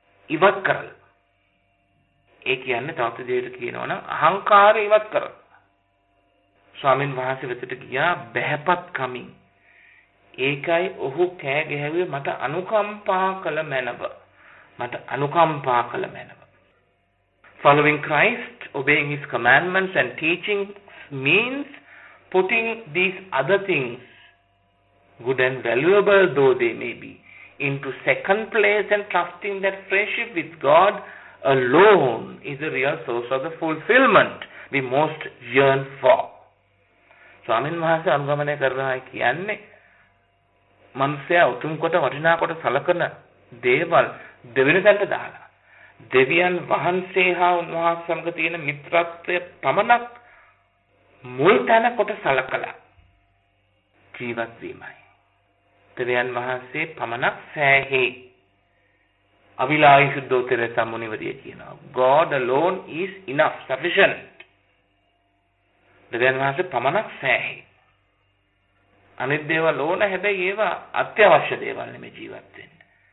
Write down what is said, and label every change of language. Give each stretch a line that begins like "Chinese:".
Sinhala: ඉවත් කරලා ඒ කියන්නේ තවත් දෙයකට කියනවනම් අහංකාරය ඉවත් කරලා ස්වාමීන් වහන්සේ වෙතට ගියා බහැපත් කමින්. ඒකයි ඔහු කෑ ගැහුවේ මට අනුකම්පා කළ මැනව. මට අනුකම්පා කළ මැනව.
English: Following Christ, obeying his commandments and teachings means putting these other things, good and valuable though they may be, into second place and trusting that friendship with God alone is the real source of the fulfillment we most yearn for.
Sinhala: ස්වාමීන් වහන්සේ අනුගමනය කරනවා කියන්නේ මනුෂ්‍යයා උතුම් කොට වටිනා කොට සලකන දේවල් දෙවෙනි තැනට දාලා දෙවියන් වහන්සේ හා උන්වහන්සේ සමඟ තියෙන මිත්‍රත්වය පමණක් මුල් තැන කොට සලකලා ජීවත් වීමයි. දෙවියන් වහන්සේ පමණක් සෑහේ. අවිලාහි සුද්ධෝතරේ සම්මුනිවදී කියනවා
English: God alone is enough, sufficient.
Sinhala: දෙවියන් වහන්සේ පමණක් සෑහි. අනිත් දේවල් ඕන හැබැයි ඒවා අත්‍යවශ්‍ය දේවල් නෙමෙයි ජීවත් වෙන්නේ.